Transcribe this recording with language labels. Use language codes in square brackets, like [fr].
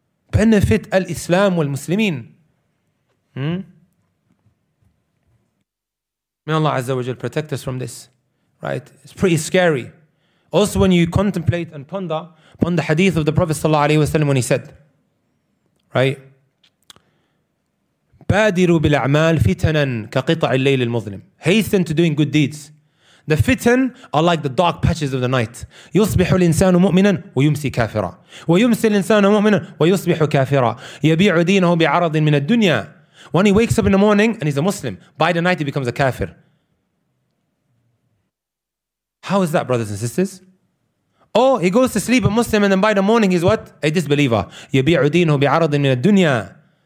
[en] Benefit [ar] al-Islam wal-Muslimin. [en] May Allah Azza wa Jal protect us from this, right? It's pretty scary. Also, when you contemplate and ponder upon the hadith of the Prophet sallallahu alayhi wa sallam when he said, right? [ar] بادروا بالأعمال فتنا كقطع الليل المظلم. [en] Hasten to doing good deeds. The fitan are like the dark patches of the night. [ar] يصبح الإنسان مؤمنا ويمسي كافرا. ويمسي الإنسان مؤمنا ويصبح كافرا. يبيع دينه بعرض من الدنيا. [en] When he wakes up in the morning and he's a Muslim, by the night he becomes a kafir. How is that, brothers and sisters? Oh, he goes to sleep a Muslim and then by the morning he's what? A disbeliever. [ar] يبيع دينه بعرض من الدنيا.